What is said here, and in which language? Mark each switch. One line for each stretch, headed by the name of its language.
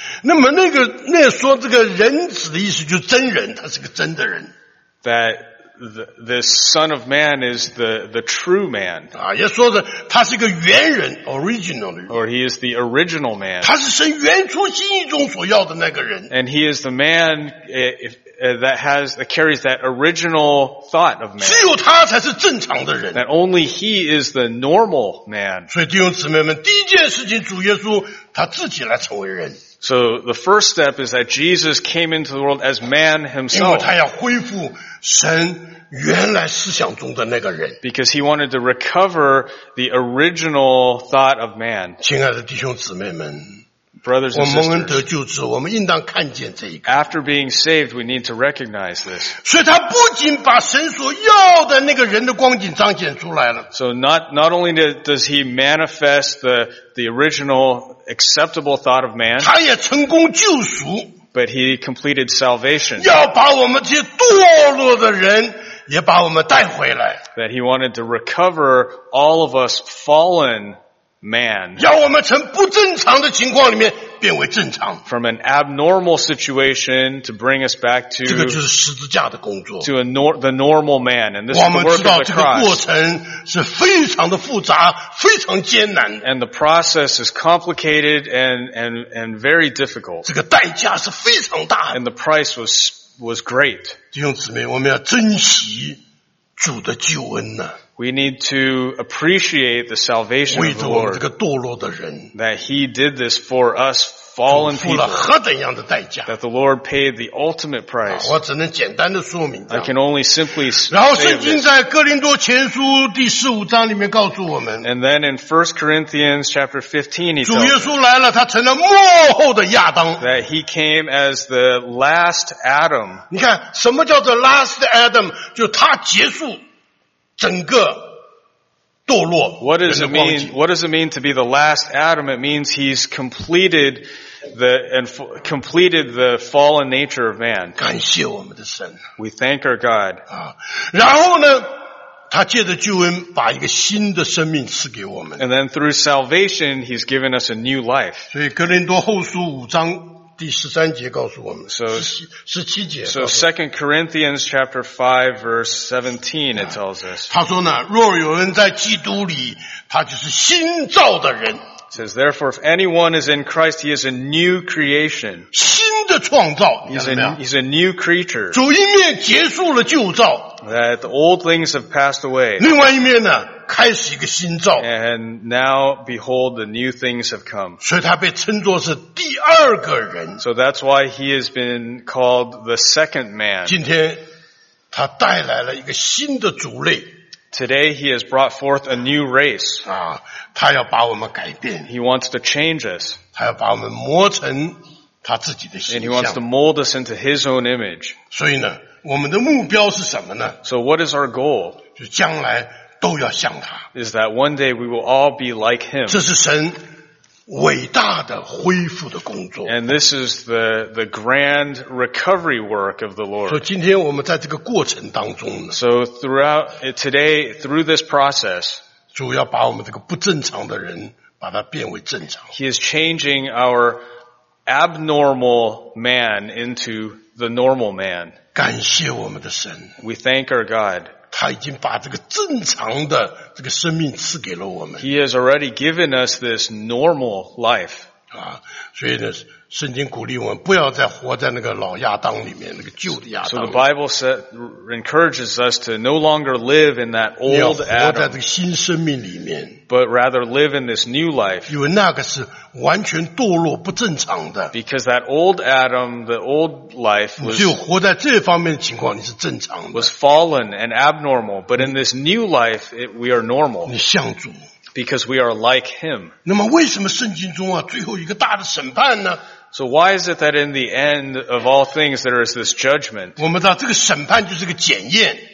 Chinese: 那么那个那说这个人子的意思就是真人，他是个真的人。
English: That this son of man is the true man.
Chinese: 也说的他是个原人 ,
English: original. Or he is the original man.
Chinese: 他是神原初心意中所要的那个人。
English: And he is the man that carries that original thought of man.
Chinese: 只有他才是正常的人。
English: That only he is the normal man.
Chinese: 所以弟兄姊妹们，第一件事情，主耶稣他自己来成为人。
English: So the first step is that Jesus came into the world as man himself.
Chinese: 因为他要恢复神原来思想中的那个人。
English: Because he wanted to recover the original thought of man.
Chinese: 亲爱的弟兄姊妹们。
English: Brothers and sisters,
Chinese: 我蒙恩得救之后，我们应当看见这一个。
English: After being saved, we need to recognize this.
Chinese: 所以他不仅把神所要的那个人的光景彰显出来了。
English: So not only does he manifest the original acceptable thought of man,
Chinese: 他也成功救赎。
English: But he completed salvation.
Chinese: 要把我们这些堕落的人也把我们带回来。
English: That he wanted to recover all of us fallen. Man,
Chinese: 要我们从不正常的情况里面变为正常。
English: From an abnormal situation to bring us back to
Chinese: 这个就是十字架的工作。
English: To the normal man, and this is the work of the cross.
Chinese: 我们知道这个过程是非常的复杂，非常艰难。
English: And the process is complicated and very difficult.
Chinese: 这个代价是非常大。
English: And the price was great.
Chinese: 弟兄姊妹，我们要珍惜主的救恩呢。
English: We need to appreciate the salvation of the Lord.
Chinese: 为着我们这个堕落的人。
English: That he did this for us fallen people.
Chinese: 付了何等样的代价。
English: That the Lord paid the ultimate price.
Chinese: 我只能简单的说明这样。
English: I can only simply say this.
Chinese: 然后圣经在哥林多前书第十五章里面告诉我们。
English: And then in 1 Corinthians chapter 15 he tells us.
Chinese: 主耶稣来了，他成了末后的亚当。
English: That he came as the last Adam.
Chinese: 你看，什么叫做
English: last Adam?
Chinese: 就他结束。整个堕落。
English: What does it mean to be the last Adam? It means he's completed the fallen nature of man.
Chinese: 感谢我们的神。
English: We thank our God.
Chinese: 然后呢，他借着救恩把一个新的生命赐给我们。
English: And then through salvation, he's given us a new life.
Chinese: 所以哥林多后书五章第十三节告诉我们， 17节。
English: So 2 Corinthians chapter 5 verse 17 it tells us.
Chinese: 他说呢，若有人在基督里，他就是新造的人。
English: It says, therefore, if anyone is in Christ, he is a new creation.
Chinese: 新的创造。
English: He's a new creature.
Chinese: 主一面结束了旧造。
English: That the old things have passed away.
Chinese: 另外一面呢，开始一个新造。
English: And now, behold, the new things have come.
Chinese: 所以他被称作是第二个人。
English: So that's why he has been called the second man.
Chinese: 今天他带来了一个新的族类。
English: Today he has brought forth a new race.
Chinese: 他要把我们改变。
English: He wants to change us.
Chinese: 他要把我们磨成他自己的形象。
English: And he wants to mold us into his own image.
Chinese: 所以呢，我们的目标是什么呢？
English: So what is our goal?
Chinese: 就将来都要像他。
English: Is that one day we will all be like him.
Chinese: 这是神伟大的恢复的工作。
English: And this is the grand recovery work of the Lord.
Chinese: 所以今天我们在这个过程当中呢。
English: So through this process,
Chinese: 主要把我们这个不正常的人把它变为正常。
English: He is changing our abnormal man into the normal man.
Chinese: 感谢我们的神。
English: We thank our God.
Chinese: 他已经把这个正常的这个生命赐给了我们。
English: He has already given us this normal life.
Chinese: 所以呢，圣经鼓励我们不要再活在那个老亚当里面，那个旧的亚当里面。
English: So the Bible encourages us to no longer live in that old Adam.
Chinese: 要活在这个新生命里面。
English: But rather live in this new life.
Chinese: 因为那个是完全堕落不正常的。
English: Because that old Adam, the old life was,
Chinese: 你只有活在这方面的情况你是正常的。
English: Was fallen and abnormal. But in this new life, we are normal.
Chinese: 你向主。
English: Because we are like him.
Chinese: 那么为什么圣经中啊最后一个大的审判呢？
English: So why is it that in the end of all things there is this judgment?
Chinese: 我们知道这个审判就是个检验。